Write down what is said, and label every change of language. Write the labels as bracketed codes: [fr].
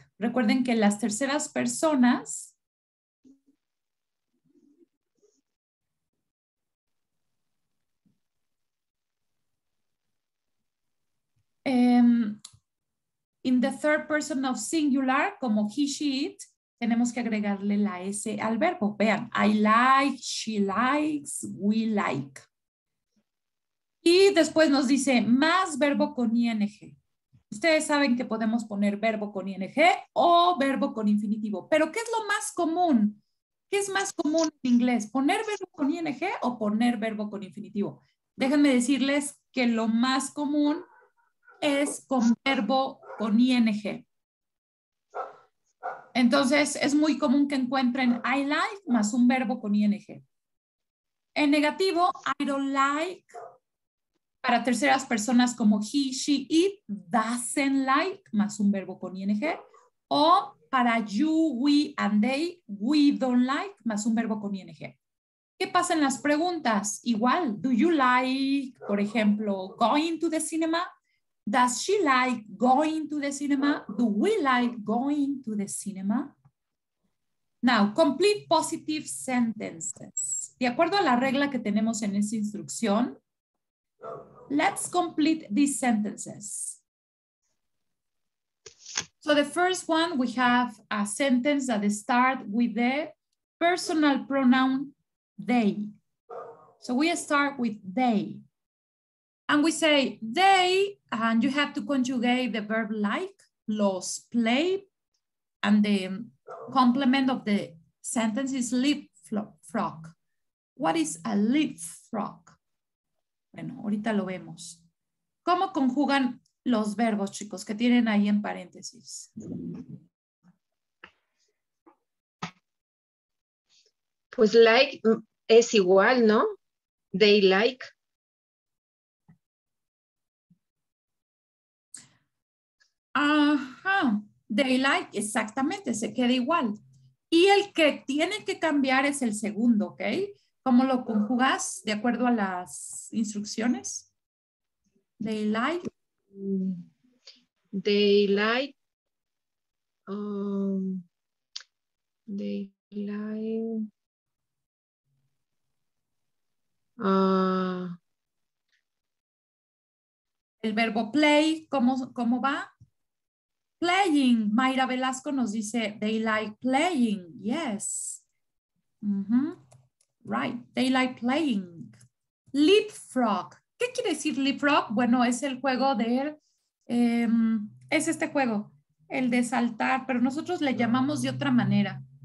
[es] Recuerden que las terceras personas [en] in the third person of singular, [es] como he, she, it, tenemos que agregarle la S al verbo. [en] Vean, I like, she likes, we like. [es] Y después nos dice más verbo con ing. Ustedes saben que podemos poner verbo con ing o verbo con infinitivo. Pero ¿qué es lo más común? ¿Qué es más común en inglés? ¿Poner verbo con ing o poner verbo con infinitivo? Déjenme decirles que lo más común es con verbo con ing. Entonces, es muy común que encuentren [en] I like [es] más un verbo con ing. En negativo, [en] I don't like. [es] Para terceras personas como he, she, it, [en] doesn't like [es] más un verbo con ing. O para [en] you, we, and they, we don't like [es] más un verbo con ing. ¿Qué pasa en las preguntas? [en] Igual, do you like, [es] por ejemplo, [en] going to the cinema? Does she like going to the cinema? Do we like going to the cinema? Now, complete positive sentences. [es] De acuerdo a la regla que tenemos en esta instrucción, [en] let's complete these sentences. So the first one, we have a sentence that starts with the personal pronoun they. So we start with they. And we say they, and you have to conjugate the verb like, los, play, and the complement of the sentence is leapfrog. What is a leapfrog? [es] Bueno, ahorita lo vemos. ¿Cómo conjugan los verbos, chicos, que tienen ahí en paréntesis? Pues like es igual, ¿no? [en] They like. [es] Ajá, [en] they like, [es] exactamente, se queda igual. Y el que tiene que cambiar es el segundo, ¿ok? ¿Cómo lo conjugas de acuerdo a las instrucciones? [en] They like. They like. They like. [es] El verbo play, ¿cómo va? [en] Playing, Mayra Velasco [es] nos dice, [en] they like playing, yes. Mm-hmm. Right, they like playing. [es] Leapfrog, ¿qué quiere decir leapfrog? Bueno, es el juego de, es este juego, el de saltar, pero nosotros le llamamos de otra manera.